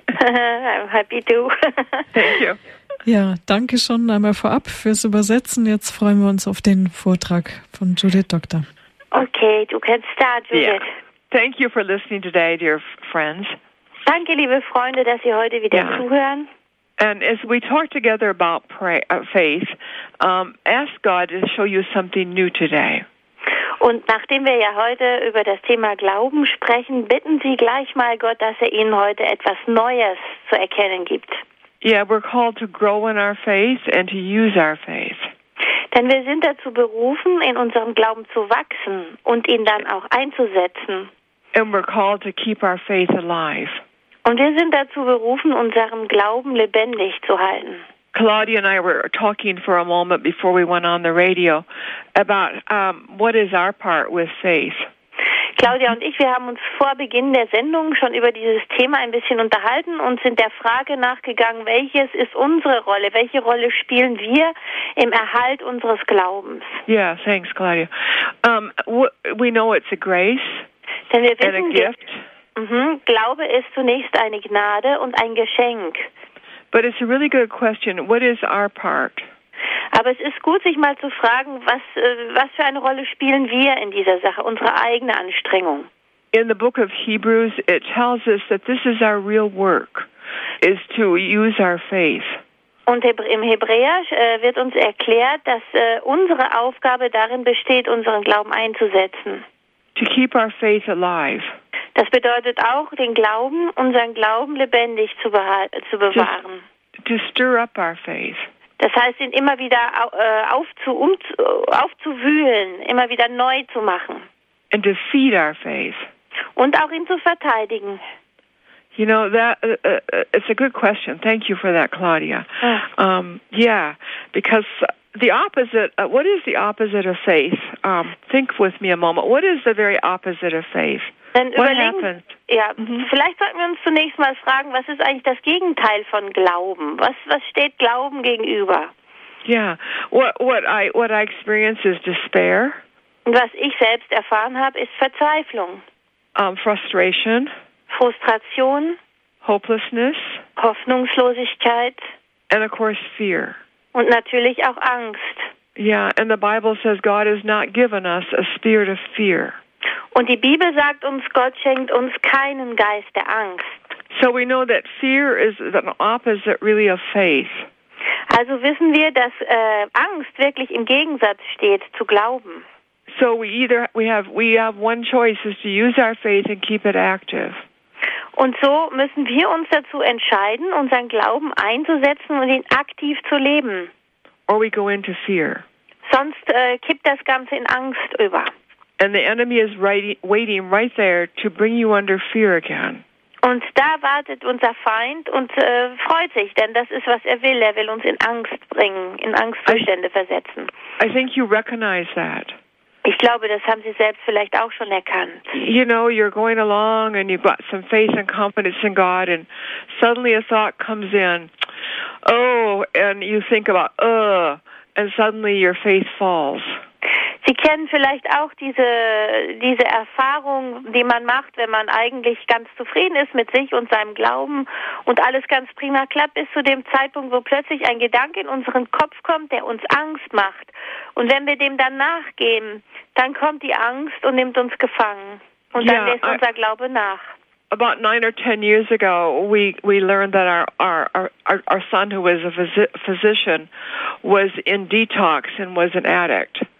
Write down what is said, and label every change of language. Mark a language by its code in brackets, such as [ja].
[en] I'm happy too. Thank you. [de] Ja, danke schon einmal vorab fürs Übersetzen. Jetzt freuen wir uns auf den Vortrag von Judith Doktor. Okay, du kannst starten, Judith. [en] Yeah. Thank you for listening today, dear friends. [de] Danke, liebe Freunde, dass Sie heute wieder zuhören. [en] And as we talk together about faith, ask God to show you something new today. [de] Und nachdem wir ja heute über das Thema Glauben sprechen, bitten Sie gleich mal Gott, dass er Ihnen heute etwas Neues zu erkennen gibt. [en] Yeah, we're called to grow in our faith and to use our faith. [de] Denn wir sind dazu berufen, in unserem Glauben zu wachsen und ihn dann auch einzusetzen. [en] And we're called to keep our faith alive. [de] Und wir sind dazu berufen, unseren Glauben lebendig zu halten. [en] Claudia and I were talking for a moment before we went on the radio about what is our part with faith. [de] Claudia und ich, wir haben uns vor Beginn der Sendung schon über dieses Thema ein bisschen unterhalten und sind der Frage nachgegangen, welches ist unsere Rolle, welche Rolle spielen wir im Erhalt unseres Glaubens? [en] Yeah, thanks, Claudia. We know it's a grace and a gift. [de] Glaube ist zunächst eine Gnade und ein Geschenk. [en] But it's a really good question. What is our part? [de] Aber es ist gut, sich mal zu fragen, was für eine Rolle spielen wir in dieser Sache, unsere eigene Anstrengung. [en] In the book of Hebrews, it tells us that this is our real work, is to use our faith. [de] Und im Hebräisch wird uns erklärt, dass unsere Aufgabe darin besteht, unseren Glauben einzusetzen. [en] To keep our faith alive. [de] Das bedeutet auch, den Glauben, unseren Glauben lebendig zu bewahren. [en] To stir up our faith. [de] Das heißt, ihn immer wieder aufzuwühlen, immer wieder neu zu machen. [en] And to feed our faith. [de] Und auch ihn zu verteidigen. [en] You know, it's a good question. Thank you for that, Claudia. Yeah, because the opposite, what is the opposite of faith? Think with me a moment. What is the very opposite of faith? [de] Vielleicht sollten wir uns zunächst mal fragen, was ist eigentlich das Gegenteil von Glauben? Was steht Glauben gegenüber? [en] Yeah, what I experience is despair. [de] Und was ich selbst erfahren habe, ist Verzweiflung. [en] Frustration. [de] Frustration. [en] Hopelessness. [de] Hoffnungslosigkeit. [en] And of course fear. [de] Und natürlich auch Angst. [en] Yeah, and the Bible says God has not given us a spirit of fear. [de] Und die Bibel sagt uns, Gott schenkt uns keinen Geist der Angst. [en] So we know that fear is the opposite really of faith. [de] Also wissen wir, dass Angst wirklich im Gegensatz steht zu Glauben. [en] So we have one choice is to use our faith and keep it active. [de] Und so müssen wir uns dazu entscheiden, unseren Glauben einzusetzen und ihn aktiv zu leben. [en] Or we go into fear. [de] Sonst kippt das Ganze in Angst über. [en] And the enemy is waiting right there to bring you under fear again. [de] Und da wartet unser Feind und freut sich, denn das ist, was er will. Er will uns in Angst bringen, in Angstzustände versetzen. [en] I think you recognize that. [de] Ich glaube, das haben Sie selbst vielleicht auch schon erkannt. [en] You know, you're going along and you've got some faith and confidence in God and suddenly a thought comes in. Oh, and you think about, and suddenly your faith falls. [de] Sie kennen vielleicht auch diese Erfahrung, die man macht, wenn man eigentlich ganz zufrieden ist mit sich und seinem Glauben und alles ganz prima klappt, bis zu dem Zeitpunkt, wo plötzlich ein Gedanke in unseren Kopf kommt, der uns Angst macht. Und wenn wir dem dann nachgehen, dann kommt die Angst und nimmt uns gefangen. Und dann lässt unser Glaube nach. [en] About 9 or 10 years ago, we learned that our son, who was a physician, was in detox and was an addict.